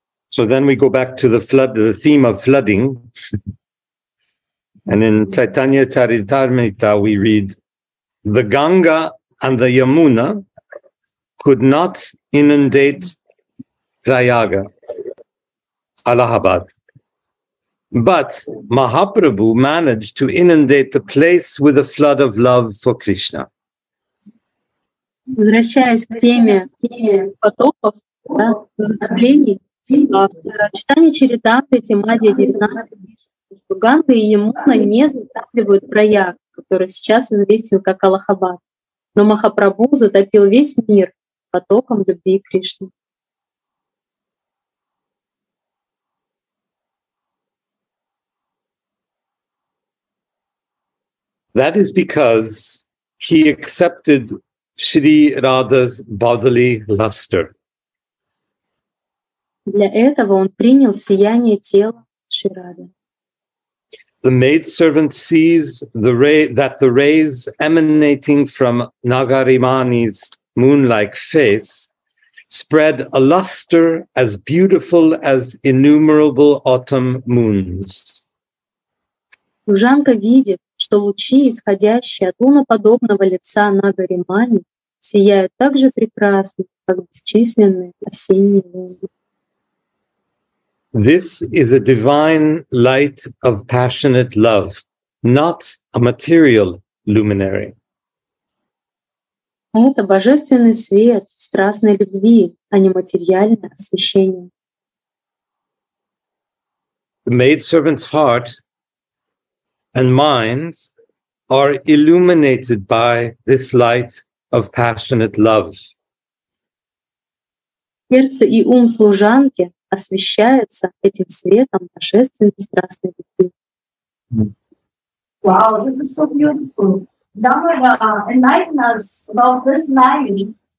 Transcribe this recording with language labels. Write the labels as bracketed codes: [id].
[en] So then we go back to the flood, the theme of flooding. And in Chaitanya Charitamrita we read, the Ganga and the Yamuna could not inundate Prayaga, Allahabad. But Mahaprabhu managed to inundate the place with a flood of love for Krishna. [ru] Возвращаясь к теме потоков, затоплений, в читании Чаритамриты Мадхья 19, Ганга и Ямуна не затапливают Прайаг, который сейчас известен как Аллахабад. Но Махапрабху затопил весь мир потоком любви к Кришне. [en] That is because he accepted Sri Radha's bodily luster. [ru] Для этого он принял сияние тела Шри Рады. [en] The maidservant sees the ray, that the rays emanating from Nagarimani's moon-like face spread a luster as beautiful as innumerable autumn moons. [ru] Служанка видит, что лучи, исходящие от луноподобного лица Нагаримани, сияют так же прекрасно, как бесчисленные осенние звезды. [en] This is a divine light of passionate love, not a material luminary. [ru] Это божественный свет страстной любви, а не материальное освещение. [en] The maidservant's heart and minds are illuminated by this light of passionate love. [ru] Сердце и ум служанки освещается этим светом божественной страстной любви. [en] Wow, this is so beautiful. Dhammada, enlighten us about this line.